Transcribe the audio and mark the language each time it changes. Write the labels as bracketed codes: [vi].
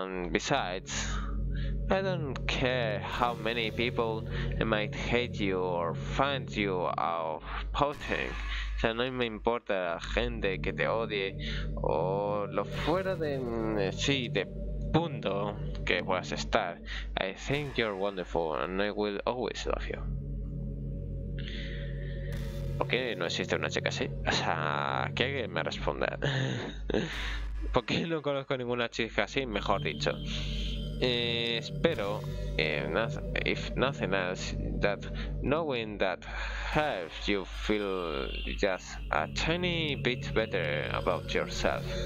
[en] Besides, I don't care how many people might hate you or find you off-putting. [es] O sea, no me importa la gente que te odie o lo fuera de sí, de punto que puedas estar. [en] I think you're wonderful and I will always love you. [es] ¿Por qué no existe una chica así? O sea, que alguien me responda. ¿Por qué no conozco ninguna chica así? Mejor dicho. Espero, [en] if nothing else, that knowing that helps you feel just a tiny bit better about yourself.